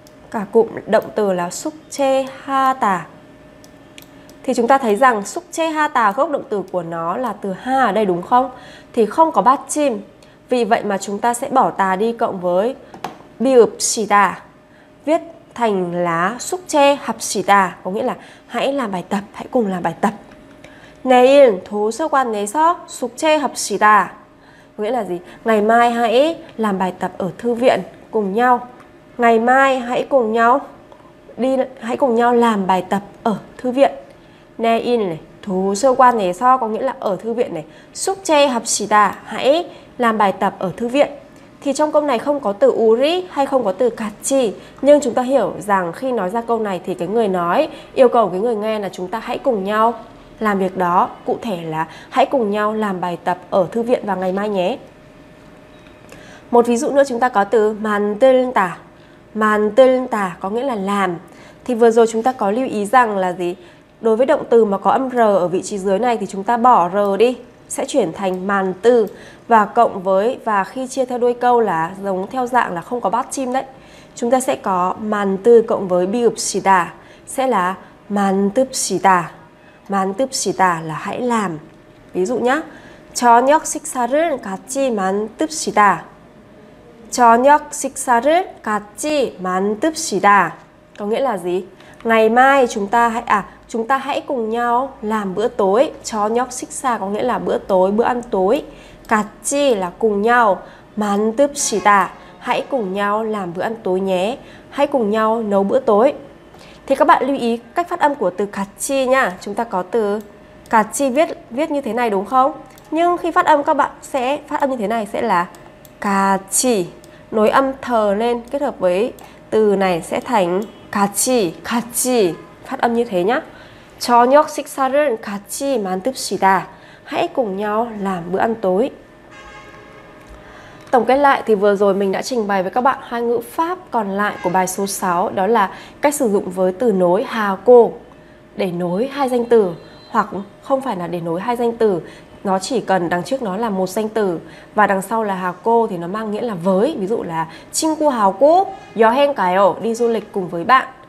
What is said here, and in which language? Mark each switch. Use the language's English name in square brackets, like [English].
[Vietnamese] Cả cụm động từ là 숙제하다. Thì chúng ta thấy rằng 숙제하다 gốc động từ của nó là từ 하 ở đây đúng không? Thì không có bát chim. Vì vậy mà chúng ta sẽ bỏ tà đi cộng với 비읍시다. Viết thành là 숙제합시다. Có nghĩa là hãy làm bài tập, hãy cùng làm bài tập. [Korean] 내일 도서관에서 숙제합시다. [Vietnamese] Có nghĩa là gì? Ngày mai hãy làm bài tập ở thư viện cùng nhau. Ngày mai hãy cùng nhau đi, hãy cùng nhau làm bài tập ở thư viện. [Korean] 내일 도서관에서 [Vietnamese] có nghĩa là ở thư viện này. [Korean] 숙제합시다. [Vietnamese] Hãy làm bài tập ở thư viện. Thì trong câu này không có từ 우리 hay không có từ 같이. Nhưng chúng ta hiểu rằng khi nói ra câu này thì cái người nói yêu cầu cái người nghe là chúng ta hãy cùng nhau làm việc đó. Cụ thể là hãy cùng nhau làm bài tập ở thư viện vào ngày mai nhé. Một ví dụ nữa chúng ta có từ 만들다. 만들다 có nghĩa là làm. Thì vừa rồi chúng ta có lưu ý rằng là gì? Đối với động từ mà có âm r ở vị trí dưới này thì chúng ta bỏ r đi, sẽ chuyển thành màn từ và cộng với, và khi chia theo đuôi câu là giống theo dạng là không có bát chim đấy, chúng ta sẽ có màn từ cộng với 비읍시다 sẽ là 만듭시다. 만듭시다 là hãy làm. Ví dụ nhá, [Korean] 저녁 식사를 같이 만듭시다. 저녁 식사를 같이 만듭시다 [Vietnamese] có nghĩa là gì? Ngày mai chúng ta hãy chúng ta hãy cùng nhau làm bữa tối. Chó nhóc xích xa có nghĩa là bữa tối, bữa ăn tối. Cát chi là cùng nhau. Mán tướp xì tà, hãy cùng nhau làm bữa ăn tối nhé. Hãy cùng nhau nấu bữa tối. Thì các bạn lưu ý cách phát âm của từ cát chi nha. Chúng ta có từ cát chi viết như thế này đúng không? Nhưng khi phát âm các bạn sẽ phát âm như thế này sẽ là cát chi. Nối âm thờ lên kết hợp với từ này sẽ thành cát chi, cát chi. Phát âm như thế nhá. [Korean] 저녁 식사를 같이 만듭시다. [Vietnamese] Hãy cùng nhau làm bữa ăn tối. Tổng kết lại thì vừa rồi mình đã trình bày với các bạn hai ngữ pháp còn lại của bài số 6, đó là cách sử dụng với từ nối 하고 để nối hai danh từ, hoặc không phải là để nối hai danh từ, nó chỉ cần đằng trước nó là một danh từ và đằng sau là 하고 thì nó mang nghĩa là với, ví dụ là [Korean] 친구 하고 여행 가요, [Vietnamese] đi du lịch cùng với bạn.